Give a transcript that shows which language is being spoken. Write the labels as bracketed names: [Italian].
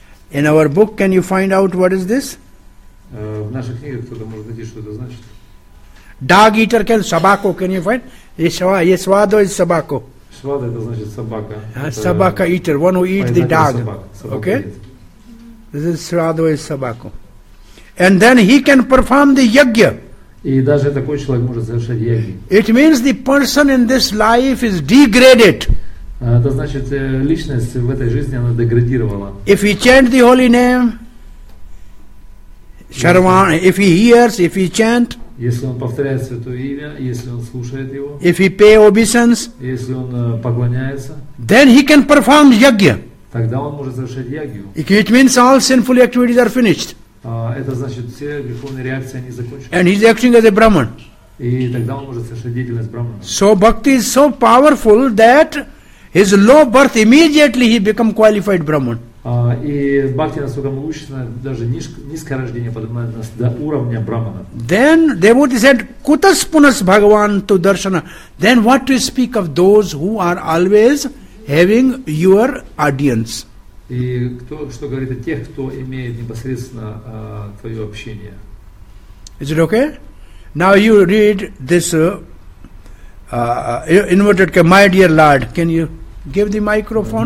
[English] In our book, can you find out what is this? [Russian] В нашей книге кто-то может найти, что это значит. [English] Dog eater, собаку, can you find? Ye свадо is собаку. [Russian] Свадо, это значит собака. [English] Собака eater, one who eats the dog. Okay? This is Sraddha is Sabako. And then he can perform the yagya. [Russian] И даже такой человек может совершать ягью. [English] It means the person in this life is degraded. [Russian] Это значит, личность в этой жизни она деградировала. [English] If he chants the holy name, Sharvan, if he hears, if he chant, [Russian] если он повторяет святое имя, если он слушает его, [English] if he pay obeisance, [Russian] если он поклоняется, [English] then he can perform yagya. [Russian] Тогда он может совершать ягью. [English] It means all sinful activities are finished. [Russian] Это значит, все греховные реакции они закончены. [English] And he's acting as a Brahman. [Russian] И тогда он может совершать деятельность Брахмана. [English] So bhakti is so powerful that his low birth immediately he become qualified Brahman. [Russian] И бхакти настолько могущественна, даже низкое рождение поднимает нас до уровня Брахмана. [English] Then devotee said, [Sanskrit] kutas punas bhagavan tu darshana. [English] Then what to speak of those who are always having your audience. [Russian] И кто, что говорит о тех, кто имеет непосредственно твое общение. [English] Is it okay? Now you read this inverted ke, my dear Lord, can you give the microphone?